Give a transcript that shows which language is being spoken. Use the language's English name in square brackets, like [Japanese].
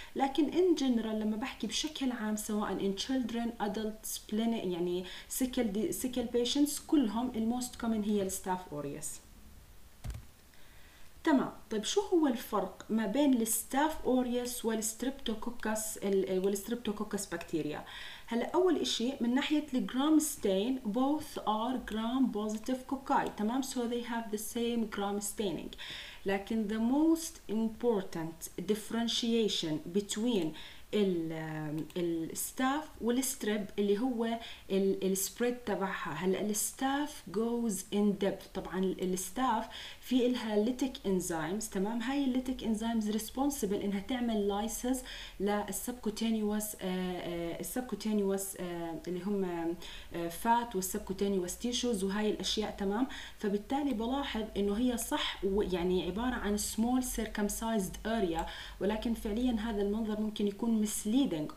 [Arabic] لكن [English] in general [Arabic] لما بحكي بشكل عام سواء [English] in children, adults, splenic [Arabic] يعني [English] sickle patients [Arabic] كلهم [English] the most common هي staph aureus. [Arabic] تمام، طيب شو هو الفرق ما بين الستاف اوريس والستريبتوكوكس والستريبتوكوكس بكتيريا؟ هلا اول اشي من ناحيه الجرام ستين [English] both are gram positive cocci. [Arabic] تمام، [English] so they have the same gram staining. [Arabic] لكن [English] the most important differentiation between [Arabic] الستاف والسترب اللي هو السبريد تبعها. هلا الستاف جوز ان ديبث، طبعا الستاف في لها ليتيك انزيمز، تمام؟ هاي الليتيك انزيمز ريسبونسبل انها تعمل لايسز للسبكوتينيوس، السبكوتينيوس اللي هم فات والسبكوتينيوس تيشوز وهاي الاشياء، تمام؟ فبالتالي بلاحظ انه هي صح يعني عباره عن سمول سيركمسايزد اريا، ولكن فعليا هذا المنظر ممكن يكون مسليدنج.